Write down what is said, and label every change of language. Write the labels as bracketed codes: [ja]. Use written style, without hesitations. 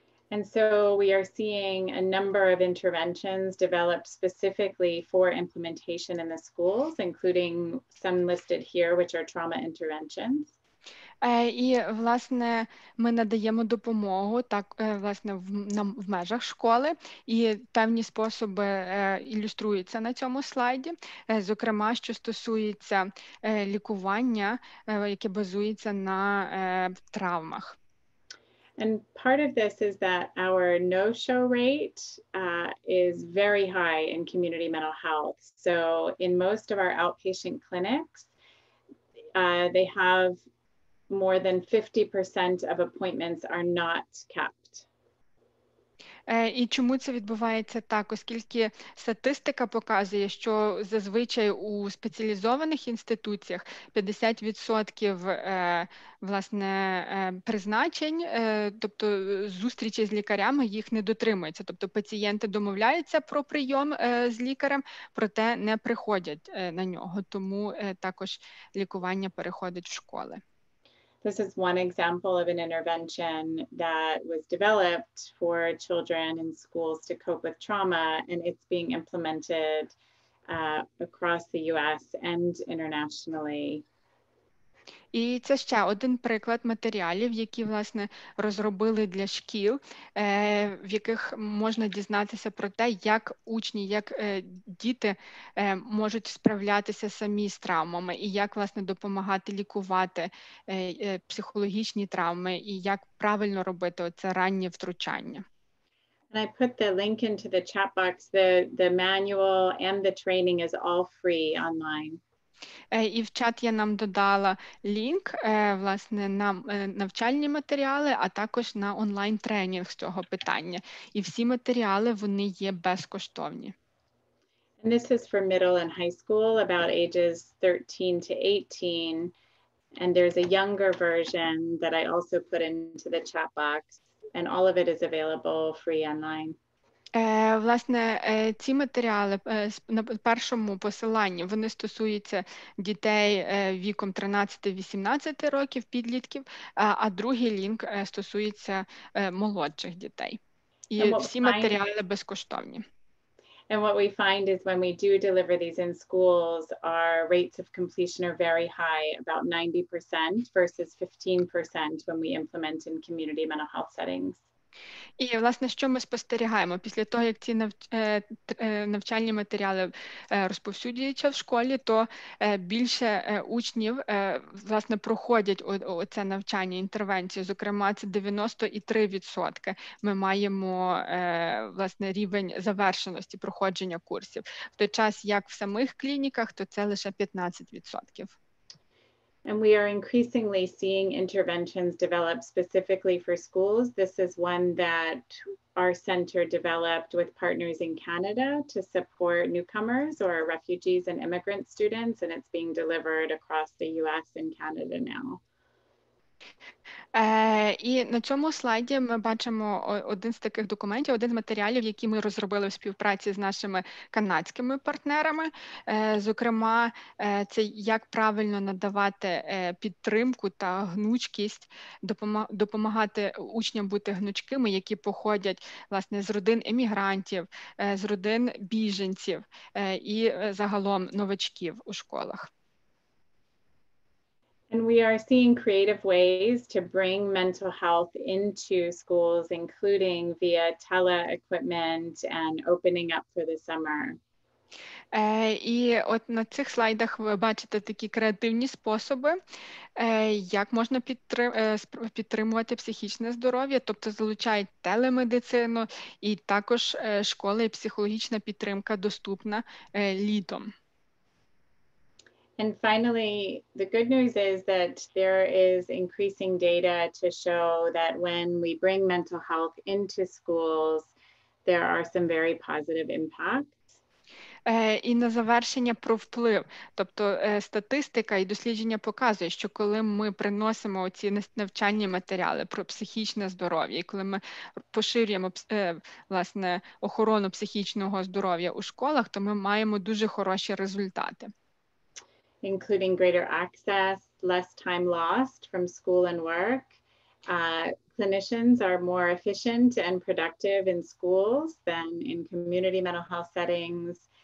[en] And so we are seeing a number of interventions developed specifically for implementation in the schools, including some listed here, which are trauma interventions. [uk] І, власне, ми надаємо допомогу так, власне, в межах школи, і певні способи ілюструються на цьому слайді, зокрема, що стосується лікування, яке базується на травмах. [en] And part of this is that our no-show rate is very high in community mental health. So in most of our outpatient clinics, they have more than 50% of appointments are not kept. [uk] І чому це відбувається так? Оскільки статистика показує, що зазвичай у спеціалізованих інституціях 50% власне призначень, тобто зустрічі з лікарями, їх не дотримуються. Тобто пацієнти домовляються про прийом з лікарем, проте не приходять на нього. Тому також лікування переходить в школи. [en] This is one example of an intervention that was developed for children in schools to cope with trauma, and it's being implemented across the US and internationally. [uk] І це ще один приклад матеріалів, які, власне, розробили для шкіл, в яких можна дізнатися про те, як учні, як діти можуть справлятися самі з травмами і як, власне, допомагати лікувати психологічні травми і як правильно робити оце раннє втручання. [en] And I put the link into the chat box. The manual and the training is all free online. [uk] І в чат я нам додала лінк, власне, на навчальні матеріали, а також на онлайн-тренінг з цього питання. І всі матеріали, вони є безкоштовні. [en] And this is for middle and high school, about ages 13 to 18. And there's a younger version that I also put into the chat box. And all of it is available free online. [uk] Власне, ці матеріали на першому посиланні, вони стосуються дітей віком 13-18 років, підлітків, а другий лінк стосується молодших дітей. І всі матеріали безкоштовні. [en] And what we find is when we do deliver these in schools, our rates of completion are very high, about 90% versus 15% when we implement in community mental health settings. [uk] І, власне, що ми спостерігаємо? Після того, як ці навчальні матеріали розповсюджуються в школі, то більше учнів, власне, проходять оце навчання, інтервенцію. Зокрема, це 93% ми маємо, власне, рівень завершеності проходження курсів. В той час, як в самих клініках, то це лише 15%. [en] And we are increasingly seeing interventions developed specifically for schools. This is one that our center developed with partners in Canada to support newcomers or refugees and immigrant students, and it's being delivered across the US and Canada now. [uk] І на цьому слайді ми бачимо один з таких документів, один з матеріалів, який ми розробили в співпраці з нашими канадськими партнерами. Зокрема, це як правильно надавати підтримку та гнучкість, допомагати учням бути гнучкими, які походять, власне, з родин емігрантів, з родин біженців і загалом новачків у школах. [en] And we are seeing creative ways to bring mental health into schools, including via tele-equipment and opening up for the summer. [uk] І от на цих слайдах ви бачите такі креативні способи, як можна підтримувати психічне здоров'я, тобто залучають телемедицину і також школи і психологічна підтримка доступна літом. [en] And finally, the good news is that there is increasing data to show that when we bring mental health into schools, there are some very positive impacts. [uk] І на завершення про вплив. Тобто статистика і дослідження показує, що коли ми приносимо ці навчальні матеріали про психічне здоров'я, і коли ми поширюємо власне охорону психічного здоров'я у школах, то ми маємо дуже хороші результати. [en] Including greater access, less time lost from school and work. Clinicians are more efficient and productive in schools than in community mental health settings.